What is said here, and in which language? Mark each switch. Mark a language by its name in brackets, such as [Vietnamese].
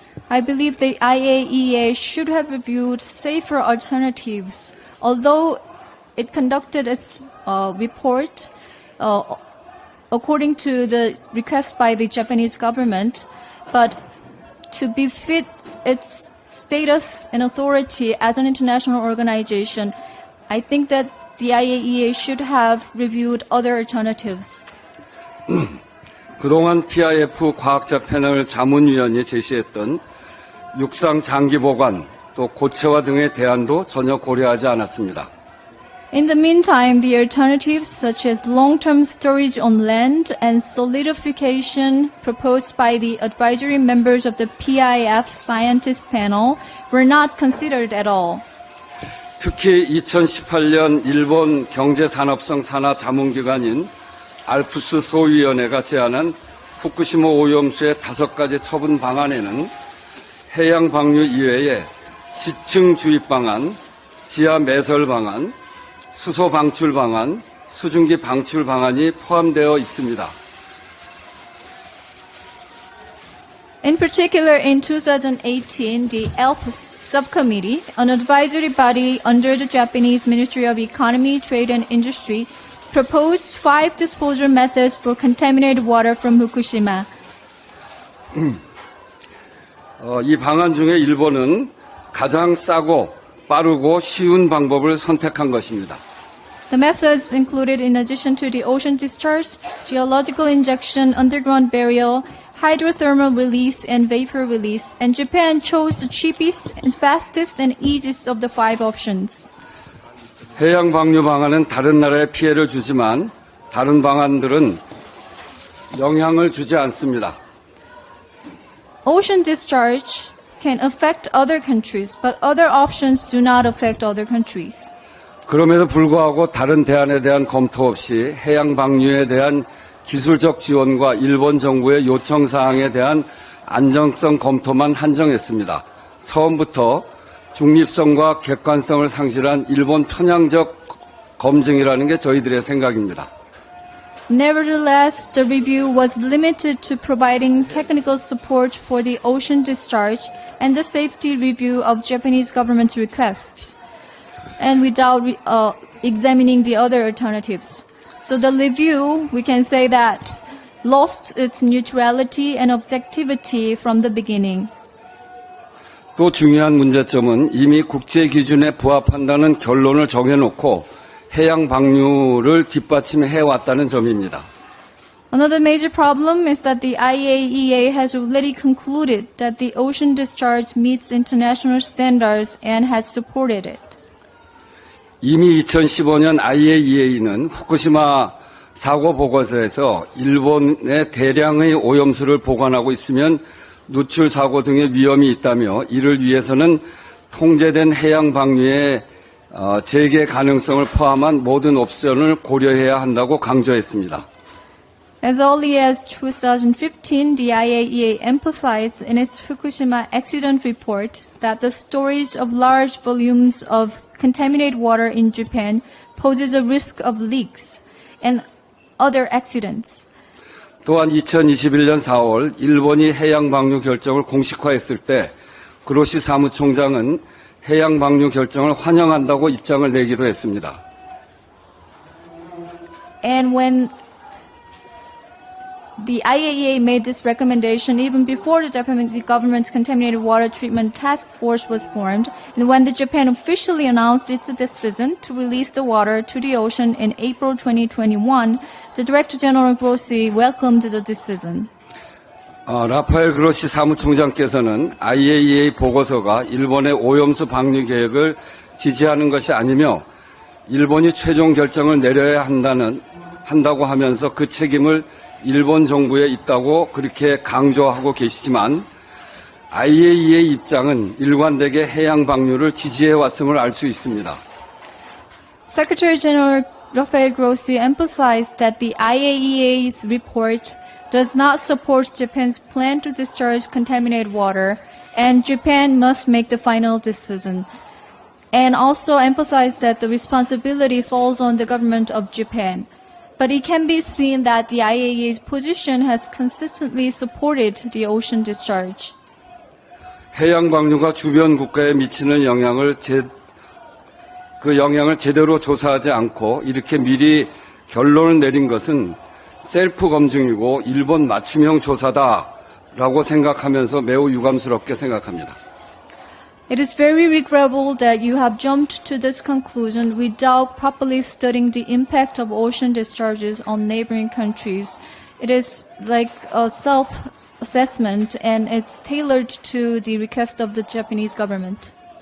[English] I believe the IAEA should have reviewed safer alternatives. Although it conducted its report according to the request by the Japanese government, but to befit its status and authority as an international organization, I think that the IAEA should have reviewed other alternatives. [Korean] 그동안 PIF 과학자 패널 자문위원이 제시했던 육상 장기 보관 또 고체화 등의 대안도 전혀 고려하지 않았습니다. [English] In the meantime, the alternatives such as long-term storage on land and solidification proposed by the advisory members of the PIF scientist panel were not considered at all. [Korean] 특히 2018년 일본 경제산업성 산하 자문기관인 알프스 소위원회가 제안한 후쿠시마 오염수의 다섯 가지 처분 방안에는 해양 방류 이외에 지층 주입 방안, 지하 매설 방안, 수소 방출 방안, 수증기 방출 방안이 포함되어 있습니다. [English] In particular, in 2018, the ALPS subcommittee, an advisory body under the Japanese Ministry of Economy, Trade and Industry, proposed five disposal methods for contaminated water from Fukushima. [Korean] 이 방안 중에 일본은 가장 싸고 빠르고 쉬운 방법을 선택한 것입니다. [English] The methods included, in addition to the ocean discharge, geological injection, underground burial, hydrothermal release, and vapor release, and Japan chose the cheapest and fastest and easiest of the five options. [Korean] 해양 방류 방안은 다른 나라에 피해를 주지만 다른 방안들은 영향을 주지 않습니다. [English] Ocean discharge can affect other countries, but other options do not affect other countries. [Korean] 그럼에도 불구하고 다른 대안에 대한 검토 없이 해양 방류에 대한 기술적 지원과 일본 정부의 요청 사항에 대한 안정성 검토만 한정했습니다. 처음부터 중립성과 객관성을 상실한 일본 편향적 검증이라는 게 저희들의 생각입니다. [English] Nevertheless, the review was limited to providing technical support for the ocean discharge and the safety review of Japanese government's requests, and without examining the other alternatives. So the review, we can say that, lost its neutrality and objectivity from the beginning. [Korean] 또 중요한 문제점은 이미 국제 기준에 부합한다는 결론을 정해놓고 해양 방류를 뒷받침해 왔다는 점입니다. [English] Another major problem is that the IAEA has already concluded that the ocean discharge meets international standards and has supported it. [Korean] 이미 2015년 IAEA는 후쿠시마 사고 보고서에서 일본의 대량의 오염수를 보관하고 있으면 누출 사고 등의 위험이 있다며 이를 위해서는 통제된 해양 방류의 재개 가능성을 포함한 모든 옵션을 고려해야 한다고 강조했습니다. [English] As early as 2015, the IAEA emphasized in its Fukushima accident report that the storage of large volumes of contaminated water in Japan poses a risk of leaks and other accidents. [Korean] 또한 2021년 4월 일본이 해양 방류 결정을 공식화했을 때 그로시 사무총장은 해양 방류 결정을 환영한다고 입장을 내기도 했습니다. [English] And when the IAEA made this recommendation, even before the Japanese government's contaminated water treatment task force was formed, and when the Japan officially announced its decision to release the water to the ocean in April 2021, the Director General Grossi welcomed the decision. [Korean] 라파엘 그로시 사무총장께서는 IAEA 보고서가 일본의 오염수 방류 계획을 지지하는 것이 아니며 일본이 최종 결정을 내려야 한다고 하면서 그 책임을 일본 정부에 있다고 그렇게 강조하고 계시지만 IAEA 입장은 일관되게 해양 방류를 지지해 왔음을 알 수 있습니다. [English] Secretary General Rafael Grossi emphasized that the IAEA's report does not support Japan's plan to discharge contaminated water and Japan must make the final decision. And also emphasized that the responsibility falls on the government of Japan. But it can be seen that the IAEA's position has consistently supported the ocean discharge. [Korean] 해양 방류가 주변 국가에 미치는 영향을 그 영향을 제대로 조사하지 않고 이렇게 미리 결론을 내린 것은 셀프 검증이고 일본 맞춤형 조사다라고 생각하면서 매우 유감스럽게 생각합니다. [English] It is very regrettable that you have jumped to this conclusion without properly studying the impact of ocean discharges on neighboring countries. It is like a self-assessment and it's tailored to the request of the Japanese government.